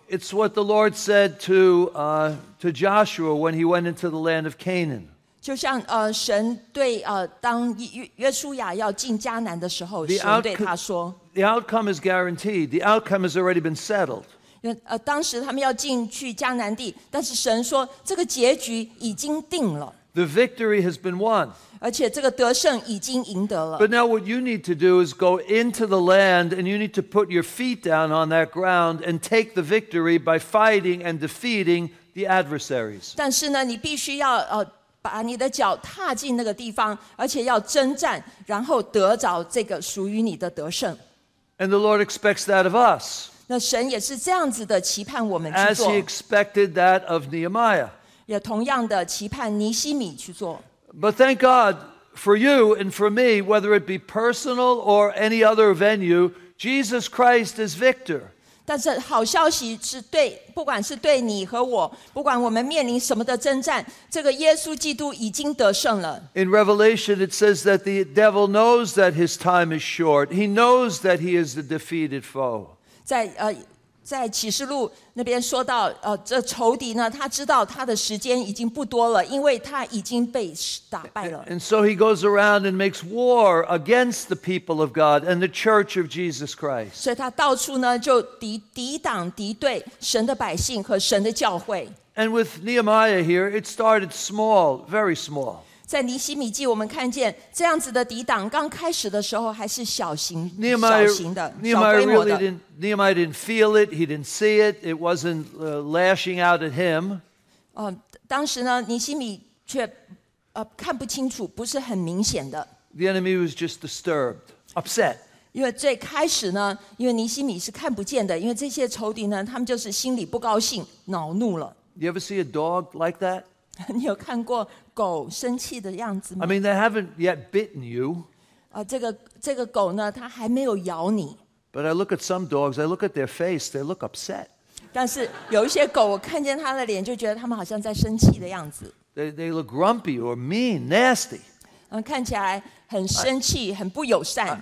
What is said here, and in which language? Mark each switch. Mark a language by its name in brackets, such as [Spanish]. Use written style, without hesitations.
[English] It's what the Lord said to Joshua when he went into the land of Canaan. [Chinese] 就像神对当约书亚要进迦南的时候，神对他说 [English] ，The outcome is guaranteed. The outcome has already been settled. [Chinese] 当时他们要进去迦南地，但是神说这个结局已经定了。 [English] The victory has been won. [Chinese] 而且这个得胜已经赢得了。 [English] But now what you need to do is go into the land, and you need to put your feet down on that ground and take the victory by fighting and defeating the adversaries. [Chinese] 但是呢，你必须要把你的脚踏进那个地方，而且要征战，然后得着这个属于你的得胜。 [English] And the Lord expects that of us. [Chinese] 那神也是这样子的期盼我们去做。 [English] As he expected that of Nehemiah. [Chinese] 也同样的期盼尼希米去做。 [English] But thank God for you and for me, whether it be personal or any other venue, Jesus Christ is victor. [Chinese] 但是好消息是对，不管是对你和我，不管我们面临什么的征战，这个耶稣基督已经得胜了。 [English] In Revelation, it says that the devil knows that his time is short. He knows that he is the defeated foe. [Chinese] 在在启示录那边说到，这仇敌呢，他知道他的时间已经不多了，因为他已经被打败了。 [English] And so he goes around and makes war against the people of God and the church of Jesus Christ. [Chinese] 所以他到处呢就抵挡敌对神的百姓和神的教会。 [English] And with Nehemiah here, it started small, very small. [Chinese] 在尼希米记我们看见这样子的抵挡刚开始的时候还是小型的 [English] Nehemiah didn't feel it, he didn't see it, it wasn't lashing out at him. [Chinese] 当时呢尼希米却看不清楚不是很明显的 [English] The enemy was just disturbed, upset. [Chinese] 因为最开始呢因为尼希米是看不见的因为这些仇敌呢他们就是心里不高兴恼怒了 [English] You ever see a dog like that? [Chinese] 你有看过狗生气的样子吗 [English] I mean, they haven't yet bitten you. [Chinese] 这个狗呢它还没有咬你。 [English] But I look at some dogs, I look at their face, they look upset. [Chinese] 但是有一些狗我看见它的脸就觉得它们好像在生气的样子。 [English] They look grumpy or mean, nasty. [Chinese] 看起来很生气很不友善。